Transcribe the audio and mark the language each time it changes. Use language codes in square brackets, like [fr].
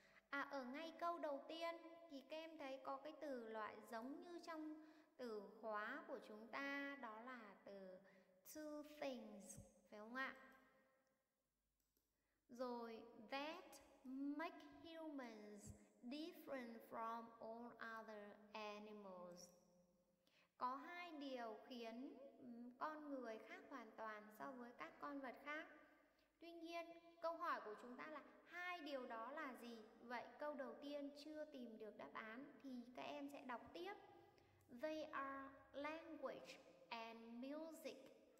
[vi] ở ngay câu đầu tiên thì các em thấy có cái từ loại giống như trong từ khóa của chúng ta, đó là từ [en] two things, [vi] phải không ạ? [en] Rồi that make humans different from all other animals. [vi] Có hai điều khiến con người khác hoàn toàn so với các con vật khác. Tuy nhiên, câu hỏi của chúng ta là hai điều đó là gì? Vậy câu đầu tiên chưa tìm được đáp án thì các em sẽ đọc tiếp. [en] They are language and music.